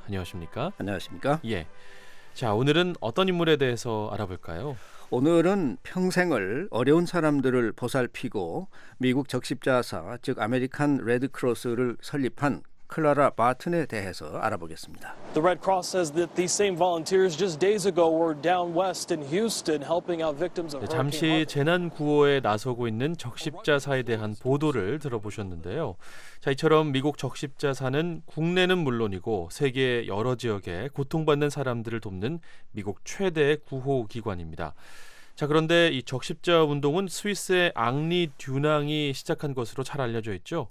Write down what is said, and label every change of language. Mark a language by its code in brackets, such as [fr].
[ko] 안녕하십니까? 안녕하십니까? 예. 자, 오늘은 어떤 인물에 대해서 알아볼까요? 오늘은 평생을 어려운 사람들을 보살피고 미국 적십자사, 즉 아메리칸 레드크로스를 설립한 클라라 바튼에 대해서 알아보겠습니다. [en] The Red Cross says that these same volunteers just days ago were down west in Houston helping out victims of hurricane. [ko] 잠시 재난 구호에 나서고 있는 적십자사에 대한 보도를 들어보셨는데요. 자, 이처럼 미국 적십자사는 국내는 물론이고 세계 여러 지역에 고통받는 사람들을 돕는 미국 최대 구호 기관입니다. 자, 그런데 이 적십자 운동은 스위스의 앙리 듀낭이 시작한 것으로 잘 알려져 있죠?